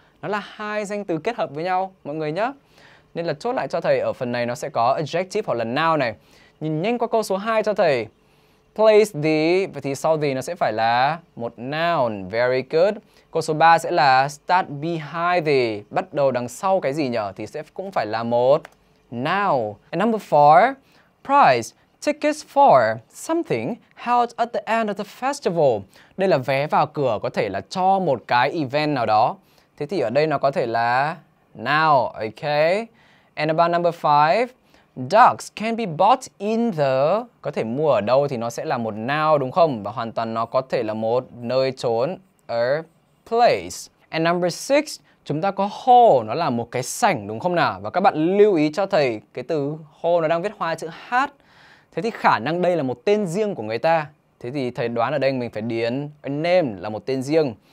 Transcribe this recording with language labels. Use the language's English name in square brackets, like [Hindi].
[Vietnamese] Nó là hai danh từ kết hợp với nhau, mọi người nhá. Nên là chốt lại cho thầy, ở phần này nó sẽ có adjective hoặc là noun này. Nhìn nhanh qua câu số 2 cho thầy. Place the, vậy thì sau the nó sẽ phải là một noun. [English] Very good. [Vietnamese] Câu số 3 sẽ là [English] start behind the, [Vietnamese] bắt đầu đằng sau cái gì nhở, thì sẽ cũng phải là một noun. [English] And number 4, price. Tickets for something held at the end of the festival. [Vietnamese] Đây là vé vào cửa, có thể là cho một cái event nào đó. Thế thì ở đây nó có thể là now, okay. [English] And about number 5, ducks can be bought in the. [Vietnamese] Có thể mua ở đâu thì nó sẽ là một now, đúng không? Và hoàn toàn nó có thể là một nơi trốn, [English] a place. And number 6, [Vietnamese] chúng ta có hall, nó là một cái sảnh, đúng không nào? Và các bạn lưu ý cho thầy, cái từ hall nó đang viết hoa chữ H. Thế thì khả năng đây là một tên riêng của người ta. Thế thì thầy đoán ở đây mình phải điền a name là một tên riêng.